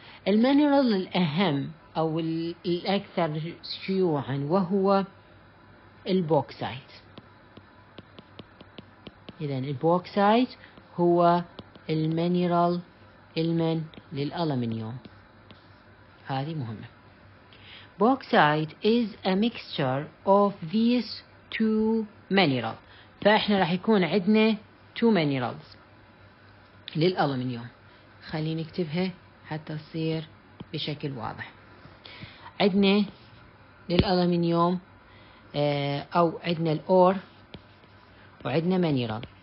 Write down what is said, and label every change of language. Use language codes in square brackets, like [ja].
[ar] المينيرال الأهم أو الأكثر شيوعا وهو البوكسايت. إذن البوكسايت هو المينيرال المن للألومنيوم، هذه مهمة. [en] Bauxite is a mixture of these two minerals. [ar] فإحنا راح يكون عندنا [en] two minerals [ar] للألومنيوم، خلينا نكتبها حتى تصير بشكل واضح. عندنا للألومنيوم أو عندنا الأور وعندنا مينيرال.